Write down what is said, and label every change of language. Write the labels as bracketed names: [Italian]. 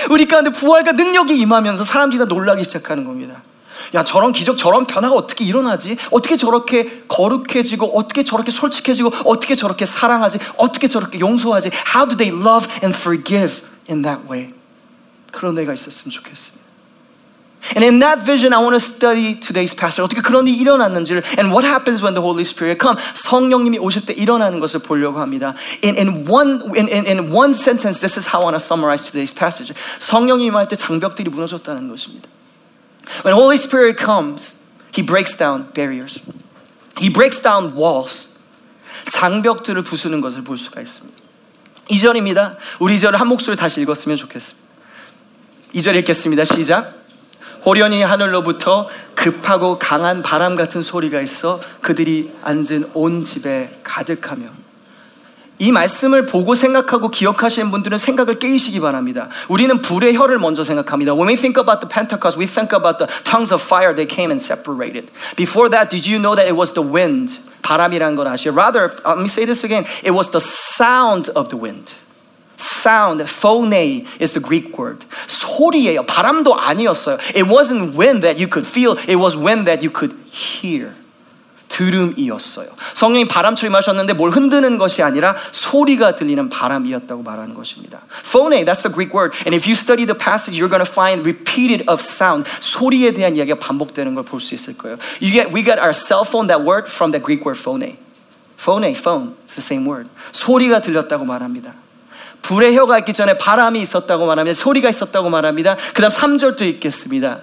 [Korean] 우리 가운데 부활과 능력이 임하면서 사람들이 다 놀라기 시작하는 겁니다. 야, 저런 기적, 저런 변화가 어떻게 일어나지? 어떻게 저렇게 거룩해지고, 어떻게 저렇게 솔직해지고, 어떻게 저렇게 사랑하지? 어떻게 저렇게 용서하지? [English] How do they love and forgive in that way? [Korean] 그런 데가 있었으면 좋겠습니다. [English] And in that vision, I want to study today's passage. [Korean] 어떻게 그런 일이 일어났는지를 [English] and what happens when the Holy Spirit come. [Korean] 성령님이 오실 때 일어나는 것을 보려고 합니다. [English] In one sentence, this is how I want to summarize today's passage. [Korean] 성령님이 임할 때 장벽들이 무너졌다는 것입니다. [English] When the Holy Spirit comes, He breaks down barriers. He breaks down walls. [Korean] 장벽들을 부수는 것을 볼 수가 있습니다. 2절입니다. 우리 2절을 한 목소리 다시 읽었으면 좋겠습니다. 2절 읽겠습니다. 시작. 호련히 하늘로부터 급하고 강한 바람 같은 소리가 있어 그들이 앉은 온 집에 가득하며 이 말씀을 보고 생각하고 기억하시는 분들은 생각을 깨이시기 바랍니다. 우리는 불의 혀를 먼저 생각합니다. [English] When we think about the Pentecost, we think about the tongues of fire that came and separated. Before that, did you know that it was the wind? [Korean] 바람이라는 걸 아시죠? [English] Rather, let me say this again. It was the sound of the wind. Sound, phone is the Greek word. [Korean] 소리예요. 바람도 아니었어요. [English] It wasn't wind that you could feel. It was wind that you could hear. [Korean] 들음이었어요. 성령이 바람처럼 하셨는데 뭘 흔드는 것이 아니라 소리가 들리는 바람이었다고 말하는 것입니다. [English] Phone, that's the Greek word. And if you study the passage, you're going to find repeated of sound. [Korean] 소리에 대한 이야기가 반복되는 걸 볼 수 있을 거예요. [English] We got our cell phone, that word, from the Greek word phone. Phone, phone, it's the same word. [Korean] 소리가 들렸다고 말합니다. 불의 혀가 있기 전에 바람이 있었다고 말합니다. 소리가 있었다고 말합니다. 그 다음 3절도 읽겠습니다.